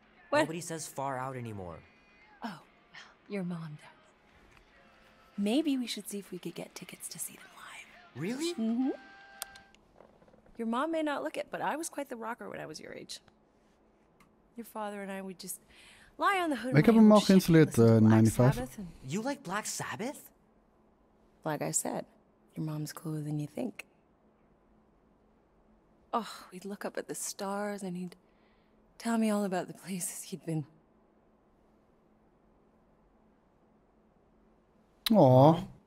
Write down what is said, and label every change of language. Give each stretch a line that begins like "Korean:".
English: What? Nobody says far out anymore. Oh, your mom does. Maybe we should see if we could get tickets to see them live. Really? Mm-hmm. Your mom may not look it, but I was quite the rocker when I was your age. Your father and I would just... Lie on the hood.
Dutch: Ik heb hem al geïnstalleerd, 95.
English: You like Black Sabbath? Like I said, your mom's cooler than you think. Oh, we'd look up at the stars and he'd tell me all about the places he'd been. Aww.